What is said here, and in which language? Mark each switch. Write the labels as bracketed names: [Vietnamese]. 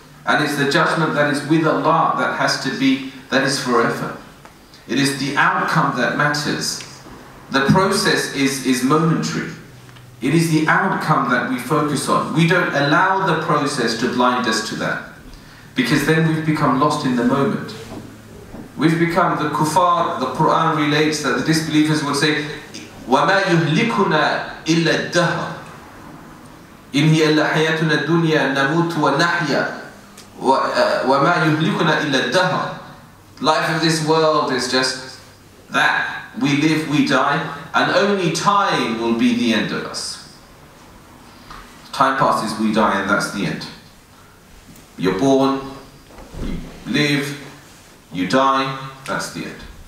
[English] And it's the judgment that is with Allah that has to be, that is forever. It is the outcome that matters. The process is momentary. It is the outcome that we focus on. We don't allow the process to blind us to that. Because then we've become lost in the moment. We've become the kuffar. The Quran relates that the disbelievers will say, [Arabic] وَمَا يُهْلِكُنَا إِلَّا الدَّهْرَ إِنْ هِيَ إِلَّا حَيَاتُنَا الدُّنْيَا نَمُوتُ وَنَحْيَا وَمَا يُهْلِكُنَا إِلَّا الدَّهْرَ. [English] Life of this world is just that. We live, we die, and only time will be the end of us. Time passes, we die, and that's the end. You're born, you live, you die, that's the end.